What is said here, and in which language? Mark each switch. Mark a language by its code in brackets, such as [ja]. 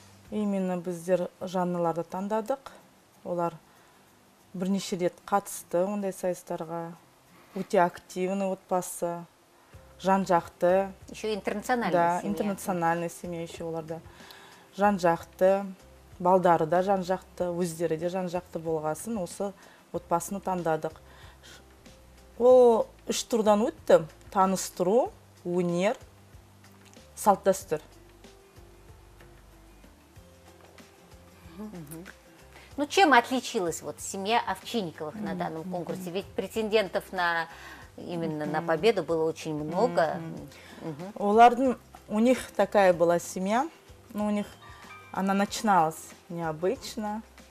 [kk] Именно біздер жанныларды таңдадық. Олар бірнеше рет қатысты ондай сайыстарға, өте активны отбасы, жан-жақты. [ru] Еще интернациональный, да, семья. Да, интернациональный семья еще [kk] оларда. Жан-жақты, балдары да жан-жақты, өздері де жан-жақты болғасын, осы отбасыны таңдадық. Ол үш тұрдан өтті: таныстыру, өнер, салт-дәстүр. [ru] Ну, чем отличилась вот семья Овчинниковых на данном конкурсе? Ведь претендентов на именно на победу было очень много. У Ларден, у них такая была семья, но у них она начиналась необычно.